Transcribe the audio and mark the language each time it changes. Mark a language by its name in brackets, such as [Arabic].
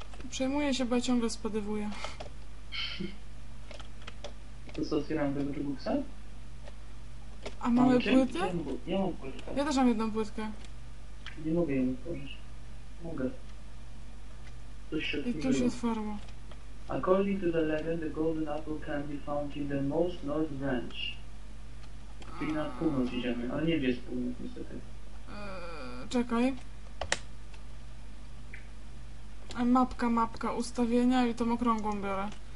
[Polish] Przejmuję się, bo ja ciągle spadywuję. To co, otwieram tego jukeboxa? A mamy płytę? Nie mam płytę. Ja też mam jedną płytkę. Nie mogę jej otworzyć. Mogę. Coś się otworzyło. I tu się otworzyło. [English] According to the legend, the golden apple can be found in the most north branch. [Polish] Czyli na północ idziemy, ale nie wiesz północ niestety. Czekaj. Mapka, ustawienia i tą okrągłą biorę.